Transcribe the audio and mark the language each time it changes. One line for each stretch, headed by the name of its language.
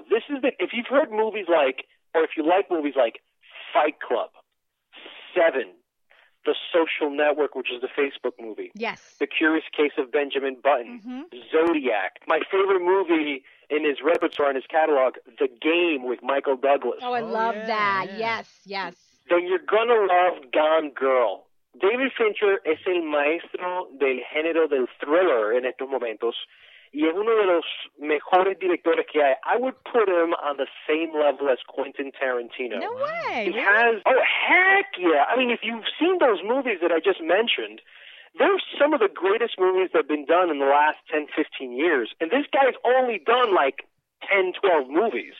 English: This is if you've heard movies like, or if you like movies like Fight Club, Seven, The Social Network, which is the Facebook movie. Yes. The Curious Case of Benjamin Button. Mm-hmm. Zodiac. My favorite movie in his repertoire, in his catalog, The Game with Michael Douglas. Oh, I love that. Yes. Then you're going to love Gone Girl.
Spanish: David Fincher es el maestro del género del thriller en estos momentos, y es uno de los mejores directores que hay.
English: I would put him on the same level as Quentin Tarantino. No way! Heck yeah! I mean, if you've seen those movies that I just mentioned, they're some of the greatest movies that have been done in the last 10, 15 years. And this guy's only done, like, 10, 12 movies.